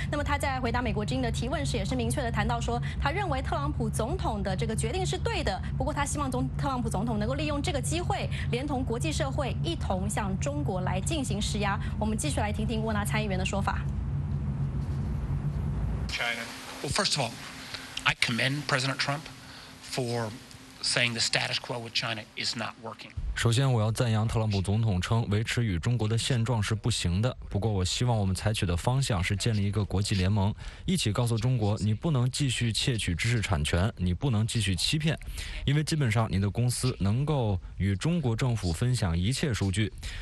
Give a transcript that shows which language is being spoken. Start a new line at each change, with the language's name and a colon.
Chinese: 那么他在回答美国之音的提问时也是明确的谈到说，他认为特朗普总统的这个决定是对的，不过他希望特朗普总统能够利用这个机会连同国际社会一同向中国来进行施压。我们继续来听听沃纳参议员的说法。
English: China. Well, first of all, I commend President Trump for saying the status quo with China is not working.
Chinese: 首先，我要赞扬特朗普总统称维持与中国的现状是不行的。不过，我希望我们采取的方向是建立一个国际联盟，一起告诉中国，你不能继续窃取知识产权，你不能继续欺骗，因为基本上你的公司能够与中国政府分享一切数据。